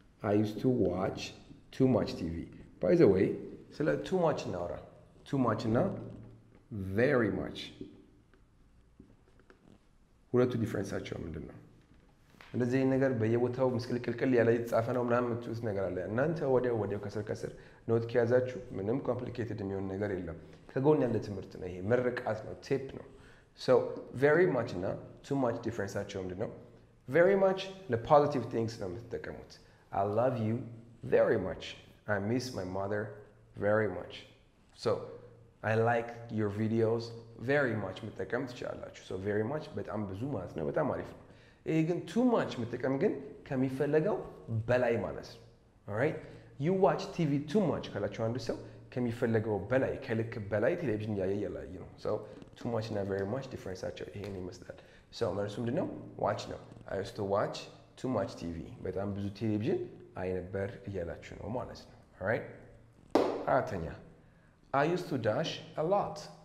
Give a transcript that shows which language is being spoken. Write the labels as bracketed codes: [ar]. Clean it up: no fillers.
[en] I used to watch too much TV. By the way, ስለ too much እናወራ. Too much እና very much. [am] ሁለቱ ዲፈረንሳቸው ምንድነው? እንደዚህ ነገር በየቦታው ምስቅልቅልቅል ያለ የተጻፈ ነው ምናምን ትውስ ነገር አለ. እናንተ ወዲያው ከስር ከስር ኖት ከያዛችሁ ምንም ኮምፕሊኬትድ የሚሆን ነገር የለም. ከጎን ያለ ትምህርት ነው ይሄ. ምርቃት ነው, ቴፕ ነው. [en] So very much እና too much [am] ዲፈረንሳቸው ምንድነው? [en] Very much the positive things ነው የምትጠቀሙት. I love you very much. I miss my mother very much. So I like your videos very much. [am] መጠቀም ትችላላችሁ. So very much በጣም ብዙ ማለት ነው, በጣም አሪፍ ነው. ይሄ ግን too much መጠቀም ግን ከሚፈለገው በላይ ማለት ነው. [en] All right? You watch TV too much [am] ካላችሁ አንዱ ሰው ከሚፈለገው በላይ ከልክ በላይ ቴሌቪዥን ያያል ይላል ነው. [en] So too much and very much difference አቸው ይሄን ይመስላል. [am] So መልሱም ድነው watch ነው. [en] I used to watch too much TV. [am] በጣም ብዙ ቴሌቪዥን አይ ነበር እያላችሁ ነው ማለት ነው. [en] All right? አተኛ I used to dash a lot.